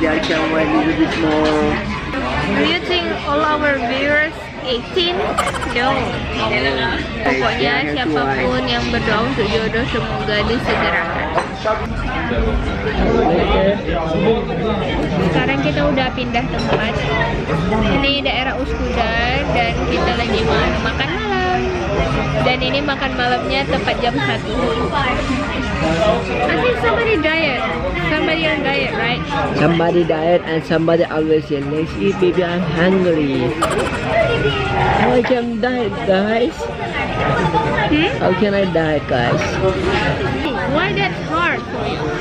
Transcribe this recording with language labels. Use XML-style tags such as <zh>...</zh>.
<en>They are can wait a little bit more. Do you think all our viewers 18? No.</en> <id>Pokoknya siapapun yang berdoa untuk jodoh semoga disegerakan. Sekarang kita udah pindah tempat. Ini daerah Uskuda dan kita lagi makan malam. Dan ini makan malamnya tepat jam 1.</id> <en>I think somebody diet. Somebody on diet, right? Somebody diet and somebody always say, let's eat, baby, I'm hungry. How can I diet, guys? How can I diet, guys? Why that hard for you?</en>